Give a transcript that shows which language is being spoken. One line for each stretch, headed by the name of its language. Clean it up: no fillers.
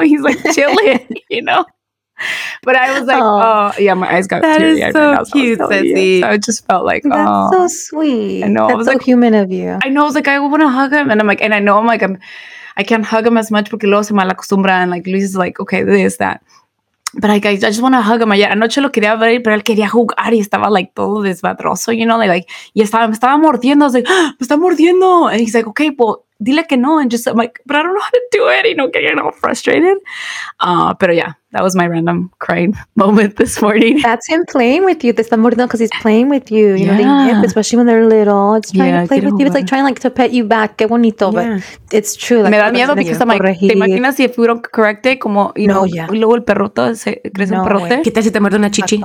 English: He's like chilling, you know. But I was like, my eyes got teary. That is so cute, Ceci. So I just felt like, that's so sweet. I know. That's, I was so, like, human of you. I know. I was like, I want to hug him, and I'm like, and I know, I'm like, I can't hug him as much
Spanish: porque luego se me acostumbra,
English: and like Luis is like, okay, this, that. But I just want to hug him.
Spanish: Yeah, anoche lo quería ver, pero él quería jugar y estaba like todo desmadroso,
English: you know,
Spanish: like y estaba, me estaba mordiendo.
English: I was like,
Spanish: ¡ah, me está mordiendo!
English: And he's like, okay, well,
Spanish: dile que no.
English: And just, I'm like, but I don't know how to do it, you know, getting all frustrated. Pero yeah, that was my random crying moment this morning. That's him playing with you.
Spanish: Te está mordiendo
English: because he's playing with you. You know, they nip, especially when they're little. It's trying to play with you. It's like trying, like, to pet you back.
Spanish: Qué bonito,
English: but it's true.
Spanish: Like, me da miedo
English: because I'm like,
Spanish: te imaginas si fue un correcte, como,
English: you know,
Spanish: y luego el perrote, se crece un perrote. ¿Qué tal si te muerde una chichi?